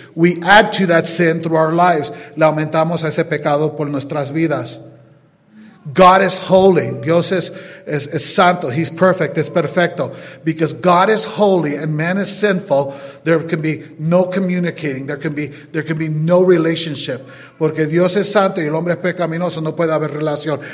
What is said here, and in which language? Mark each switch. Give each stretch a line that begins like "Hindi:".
English: We add to that sin through our lives.
Spanish: Le aumentamos a ese pecado por nuestras vidas.
English: God is holy.
Spanish: Dios es santo.
English: He's perfect.
Spanish: Es perfecto.
English: Because God is holy and man is sinful, there can be no communicating. There can be no relationship.
Spanish: Porque Dios es santo y el hombre es pecaminoso, no puede haber relación.